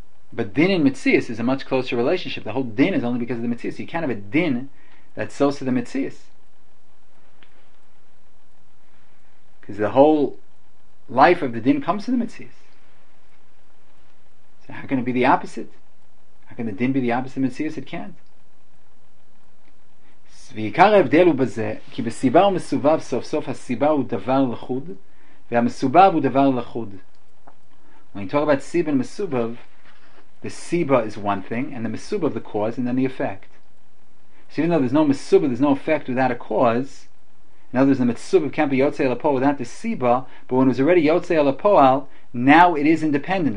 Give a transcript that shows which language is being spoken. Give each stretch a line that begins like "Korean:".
English: But Din and Metzius is a much closer relationship. The whole Din is only because of the Metzius. You can't have a Din that's so to the Metzius. Because the whole life of the Din comes from the Metzius. So how can it be the opposite? How can the Din be the opposite of Metzius? It can't.
Hebrew: ועיקר ההבדל הוא בזה, כי בסיבה הוא מסובב סוף סוף, הסיבה הוא דבר לחוד, והמסובב הוא דבר לחוד.
English: When you talk about סיבה and מסובב, the סיבה is one thing, and the מסובב, the cause, and then the effect. So even though there's no מסובב, there's no effect without a cause, in other words, the מסובב can't be
Hebrew: יוצא אל הפועל
English: without the סיבה, but when it was already יוצא אל הפועל, now it is independent.